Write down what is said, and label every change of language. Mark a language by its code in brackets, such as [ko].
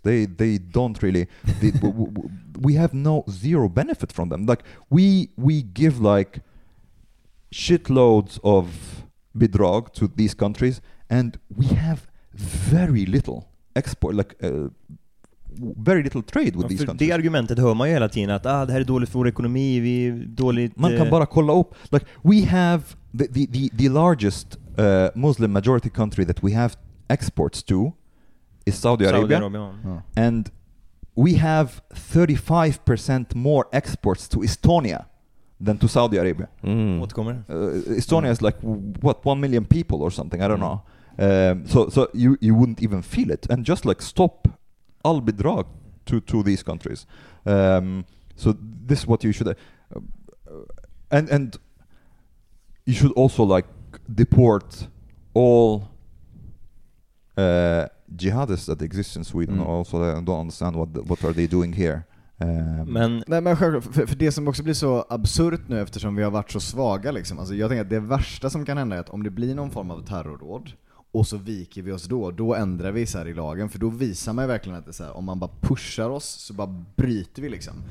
[en] They don't really, we have no zero benefit from them. Like we give like shitloads of bidrag to these countries, and we have very little export, like very little trade with these countries. [sv] Det argumentet hör man ju hela tiden att det här är dåligt för vår ekonomi, vi är dåligt. Man kan bara kolla upp, [en] like we have the largest Muslim majority country that we have exports to is Saudi Arabia. And we have 35% more exports to Estonia than to Saudi Arabia. What kommer? Estonia is like what, 1 million people or something? I don't know. So you wouldn't even feel it, and just like stop all bidrag to these countries. So this is what you should, and you should also like deport all jihadists that exist in Sweden. Also, I don't understand what are they doing here. [sv] Men själv, för det som också blir så absurt nu eftersom vi har varit så svaga liksom, alltså jag tänker att det värsta som kan hända är att om det blir någon form av terrorråd och så viker vi oss då ändrar vi så här i lagen, för då visar man ju verkligen att det är så här, om man bara pushar oss så bara bryter vi liksom.